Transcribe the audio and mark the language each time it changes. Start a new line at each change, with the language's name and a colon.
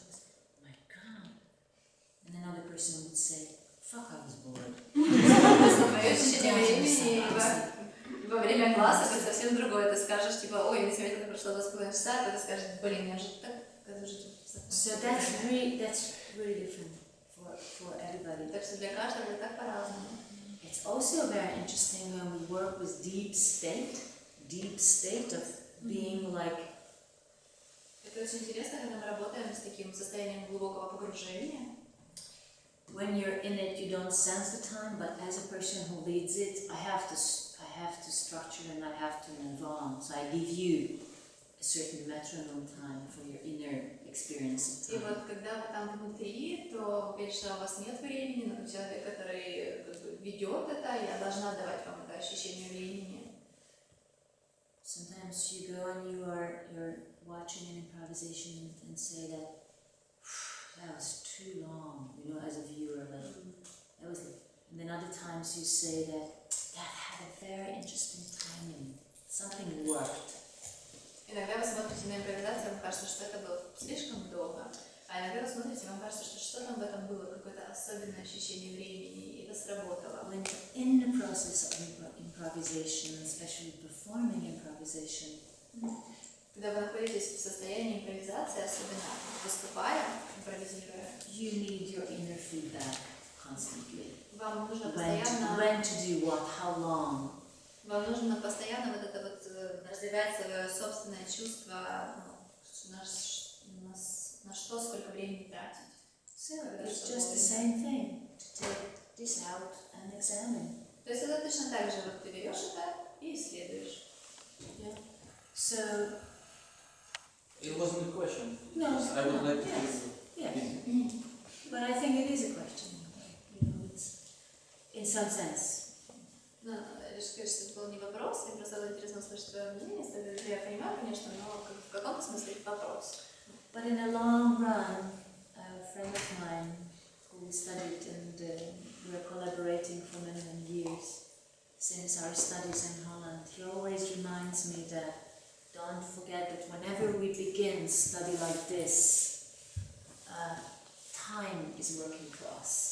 English: Was, my God. And another person would say, fuck, I was bored.
Russian: Во время класса ты совсем другое. Ты скажешь, типа, ой, я не заметил, как прошло 2.5 часа, ты скажешь, блин, я же так, когда уже
English: So that's really different for everybody.
Russian: Так что для каждого это так по-разному.
English: It's also very interesting when we work with deep state of being like,
Russian: это очень интересно, когда мы работаем с таким состоянием глубокого погружения.
English: When you're in it, you don't sense the time, but as a person who leads it, I have to structure and I have to move on. So I give you a certain metronome time for your inner experience of time.
Russian: И вот когда вы там внутри, то опять же у вас нет времени, но человек, который ведет это, я должна давать вам это ощущение времени.
English: Sometimes you go and you're watching an improvisation and say that was too long, you know, as a viewer, like that was. And then other times you say that had a very interesting timing, something worked.
Russian: Иногда вы смотрите на импровизацию, вам кажется, что это было слишком долго, а иногда вы смотрите, вам кажется, что что-то в этом было какое-то особенное ощущение времени, и это сработало.
English: When in the process of improvisation, especially performing improvisation.
Russian: Когда вы находитесь в состоянии импровизации, особенно выступая, импровизируя,
English: you need your inner feedback constantly.
Russian: Вам нужно постоянно.
English: When to do what? How long?
Russian: Вам нужно постоянно вот это вот развивать свое собственное чувство, на что сколько времени тратить.
English: So it's just the same thing to take this out and examine.
Russian: То есть это точно так же, вот ты берешь это и исследуешь.
English: Yeah. So... It wasn't a question. No, I would like to hear. Yes. But I think it is a question. You know, it's in some sense.
Russian: Да, лишь сказать, что это был не вопрос, я просто интересно услышать твое мнение, я понимаю, конечно, но в каком смысле это вопрос?
English: But in the long run, a friend of mine who studied and we're collaborating for many, many years since our studies in Holland, he always reminds me that don't forget that whenever we begin study like this, time is working for us.